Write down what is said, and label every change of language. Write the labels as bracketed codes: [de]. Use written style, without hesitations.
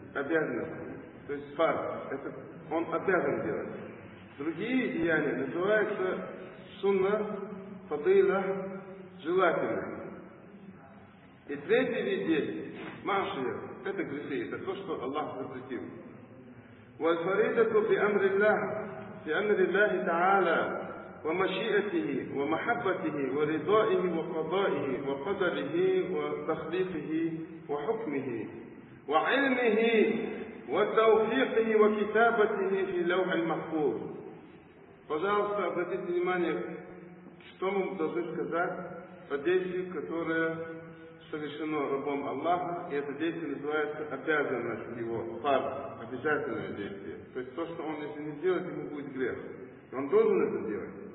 [ru] Обязанность. То есть фарз. Это он обязан делать. Другие деяния называются сунна, фадыла, желательные. И третий вид деяния, машия, это грехи, это то, что Аллах запретил. [ar] وَالْفَرِيدَةُ بِأَمْرِ اللَّهِ بِأَمْرِ اللَّهِ تَعَالَى وَمَشِيئَتِهِ وَمَحَبَّتِهِ وَرِضَائِهِ وَقَضَائِهِ وَقَدَرِهِ وَتَخْلِيقِهِ وَحُكْمِهِ وعلمه وتوفيقه وكتابته في لوح المحفوظ. [ru] Пожалуйста, обратите внимание, что мы должны сказать по действию, которое совершено рабом Аллаха, и это действие называется обязанность его, фар, обязательное действие. То есть то, что он если не сделает, ему будет грех. Он должен это делать.